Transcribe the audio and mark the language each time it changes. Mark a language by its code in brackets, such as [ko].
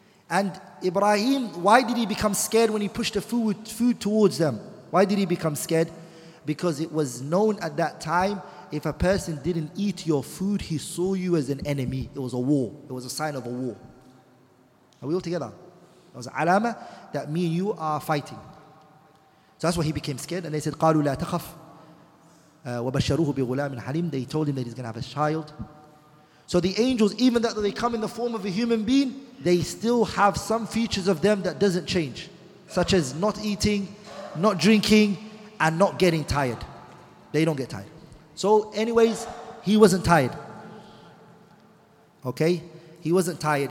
[en] And Ibrahim, why did he become scared when he pushed the food towards them? Why did he become scared? Because it was known at that time, if a person didn't eat your food, he saw you as an enemy. It was a war. It was a sign of a war. Are we all together? It was an alama that me and you are fighting. So that's why he became scared. And they said, [ar] قَالُوا لَا تَخَفْ وَبَشَّرُوهُ بِغُلَامٍ حَلِيمٍ. [en] They told him that he's going to have a child. So the angels, even though they come in the form of a human being, they still have some features of them that doesn't change, such as not eating, not drinking, and not getting tired. They don't get tired. So anyways, he wasn't tired. Okay? He wasn't tired.